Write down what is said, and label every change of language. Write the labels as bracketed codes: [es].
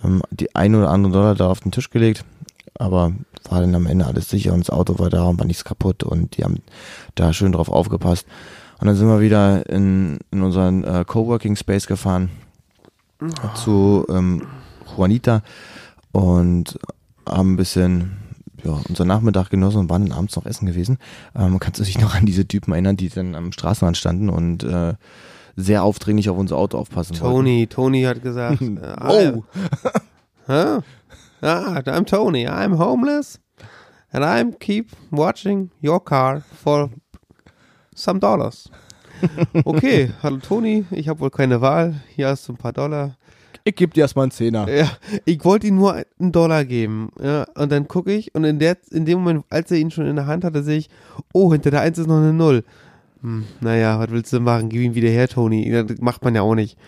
[de] die ein oder andere Dollar da auf den Tisch gelegt, aber war dann am Ende alles sicher und das Auto war da und war nichts kaputt und die haben da schön drauf aufgepasst und dann sind wir wieder in unseren Coworking Space gefahren zu Juanita und haben ein bisschen ja, unser Nachmittag genossen und waren dann abends noch essen gewesen. Kannst du dich noch an diese Typen erinnern, die dann am Straßenrand standen und sehr aufdringlich auf unser Auto aufpassen Tony, wollten? Tony hat gesagt, [en] I'm Tony, I'm homeless and I keep watching your car for some dollars. [de] Okay, hallo Tony, ich habe wohl keine Wahl, hier hast du ein paar Dollar. Ich gebe dir erstmal einen Zehner. Ja, ich wollte ihm nur einen Dollar geben. Ja, und dann gucke ich und in dem Moment, als er ihn schon in der Hand hatte, sehe ich, oh, hinter der Eins ist noch eine Null. Naja, was willst du machen? Gib ihn wieder her, Toni. Das macht man ja auch nicht.